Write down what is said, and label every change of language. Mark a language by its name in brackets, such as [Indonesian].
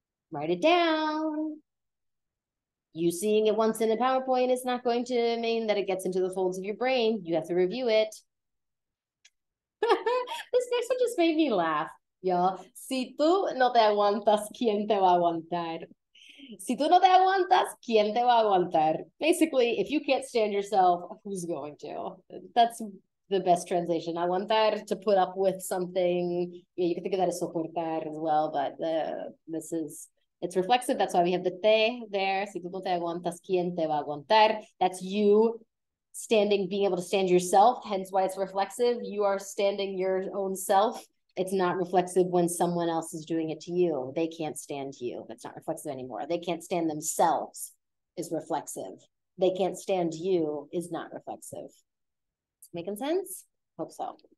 [English] Write it down. You seeing it once in a PowerPoint is not going to mean that it gets into the folds of your brain. You have to review it. This next one just made me laugh, y'all. [Spanish] Si tú no te aguantas, ¿quién te va a aguantar? Si tú no te aguantas, ¿quién te va a aguantar? [English] Basically, if you can't stand yourself, who's going to? That's the best translation. Aguantar, to put up with something. Yeah, you can think of that as soportar as well, but this is, it's reflexive. That's why we have the te there. [Spanish] Si tú no te aguantas, ¿quién te va a aguantar? [English] That's you. Standing, being able to stand yourself, hence why it's reflexive. You are standing your own self. It's not reflexive when someone else is doing it to you. They can't stand you. That's not reflexive anymore. They can't stand themselves is reflexive. They can't stand you is not reflexive. Making sense? Hope so.